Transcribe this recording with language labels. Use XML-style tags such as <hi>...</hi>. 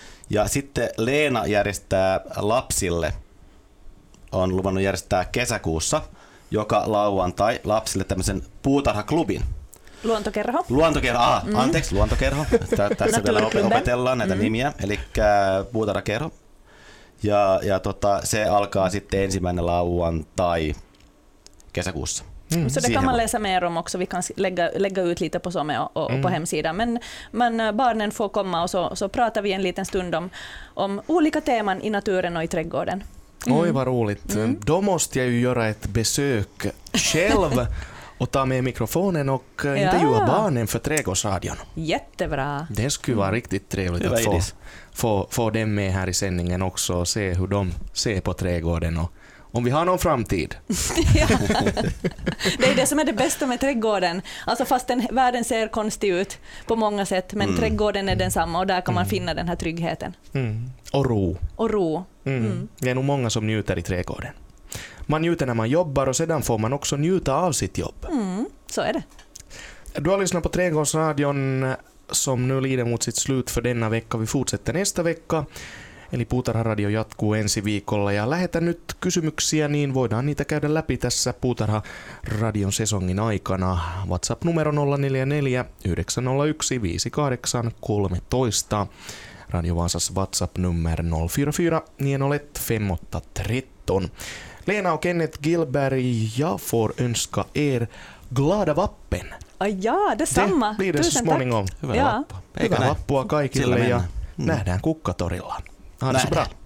<fi>Ja sitten Leena järjestää lapsille, on luvannut järjestää kesäkuussa, joka lauantai lapsille tämmöisen puutarhaklubin. Luontokerho. Luontokerho. Tässä vielä opetellaan näitä nimiä, eli puutarhakerho. Ja se alkaa sitten ensimmäinen lauantai kesäkuussa.</fi> <sv>Så det kan man läsa mer om också. Vi kan lägga ut lite på Somme och på hemsidan. Men barnen får komma och så pratar vi en liten stund om olika teman i naturen och i trädgården. Oj vad roligt. Då måste jag ju göra ett besök själv och ta med mikrofonen och intervjua barnen för trädgårdsradion. Jättebra. Det skulle vara riktigt trevligt att få dem med här i sändningen också och se hur de ser på trädgården och om vi har någon framtid. Ja. Det är det som är det bästa med trädgården. Alltså fast den världen ser konstig ut på många sätt. Men trädgården är densamma och där kan man finna den här tryggheten. Och ro. Och ro. Det är nog många som njuter i trädgården. Man njuter när man jobbar och sedan får man också njuta av sitt jobb. Så är det. Du har lyssnat på Trädgårdsradion som nu lider mot sitt slut för denna vecka. Vi fortsätter nästa vecka.</sv> <fi>Eli Puutarharadio jatkuu ensi viikolla ja lähetä nyt kysymyksiä, niin voidaan niitä käydä läpi tässä Puutarharadion sesongin aikana. WhatsApp numero 044-901-5813. Radio Vaasas WhatsApp numero 044-905-13.</fi> <sv>Leena och Kenneth Gilberg, jag får önska er glada vappen. Ja, detsamma. Det blir det så småningom.</sv> <fi>Hyvää vappua kaikille ja nähdään kukkatorilla. Ah, näin.</fi>